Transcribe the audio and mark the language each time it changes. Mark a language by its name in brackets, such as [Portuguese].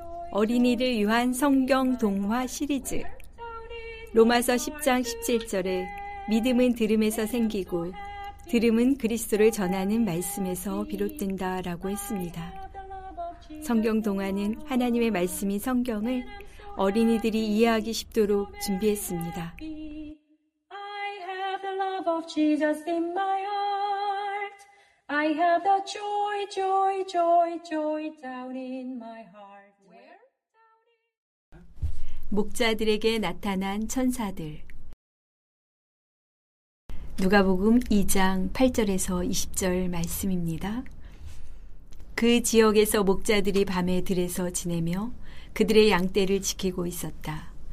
[Korean] 어린이를 위한 성경 동화 시리즈 로마서 10장 17절에 믿음은 들음에서 생기고 들음은 그리스도를 전하는 말씀에서 비롯된다 라고 했습니다. 성경 동화는 하나님의 말씀인 성경을 어린이들이 이해하기 쉽도록 준비했습니다. [English] I have the love of Jesus in my heart. I have the joy, joy, joy, joy down in my heart. Where? [Korean] 목자들에게 나타난 천사들. 누가복음 2장 8절에서 20절 말씀입니다. 그 지역에서 목자들이 밤에 들에서 지내며 그들의 양떼를 지키고 있었다.